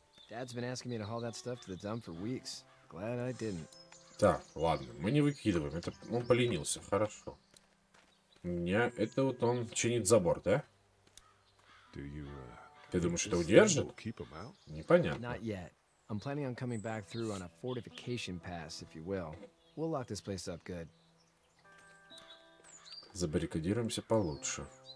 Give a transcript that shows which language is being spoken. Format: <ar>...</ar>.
<en>Dad's been asking me to haul that stuff to the dump for weeks. Glad I didn't.</en> <ru>Так, ладно, мы не выкидываем. Это он поленился, хорошо. У меня это вот он чинит забор, да? Ты думаешь, это удержит? Непонятно.</ru> <en>I'm planning on coming back through on a fortification pass, if you will. We'll lock this place up good.</en> <ru>Забаррикадируемся получше.</ru>